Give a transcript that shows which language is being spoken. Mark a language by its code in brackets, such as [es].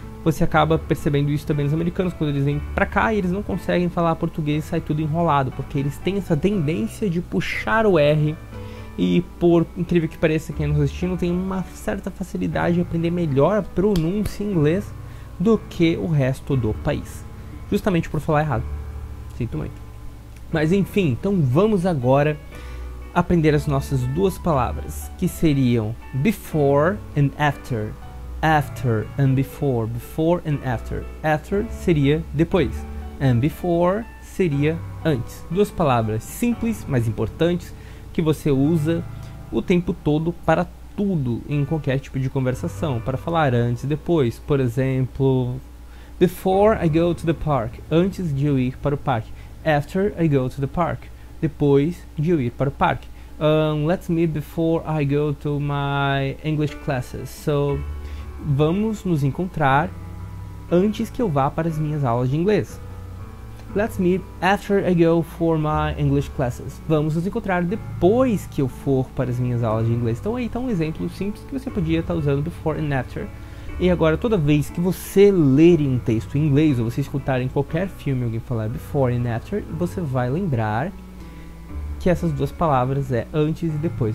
[pt] Você acaba percebendo isso também nos americanos, quando eles vêm pra cá e eles não conseguem falar português e sai tudo enrolado, porque eles têm essa tendência de puxar o R e, por incrível que pareça, quem nos assistindo tem uma certa facilidade de aprender melhor a pronúncia em inglês do que o resto do país, justamente por falar errado. Sinto muito. Mas enfim, então vamos agora aprender as nossas duas palavras, que seriam [en] before and after. After and before, before and after. After [pt] seria depois, [en] and before [pt] seria antes. Duas palavras simples, mas importantes, que você usa o tempo todo para tudo, em qualquer tipo de conversação, para falar antes e depois. Por exemplo, [en] before I go to the park, [pt] antes de eu ir para o parque. [en] After I go to the park, [pt] depois de eu ir para o parque. [en] Let's meet before I go to my English classes. [pt] So, vamos nos encontrar antes que eu vá para as minhas aulas de inglês. [en] Let's meet after I go for my English classes. [pt] Vamos nos encontrar depois que eu for para as minhas aulas de inglês. Então aí está um exemplo simples que você podia estar usando [en] before and after. [pt] E agora, toda vez que você ler um texto em inglês ou você escutar em qualquer filme alguém falar [en] before and after, [pt] você vai lembrar que essas duas palavras é antes e depois.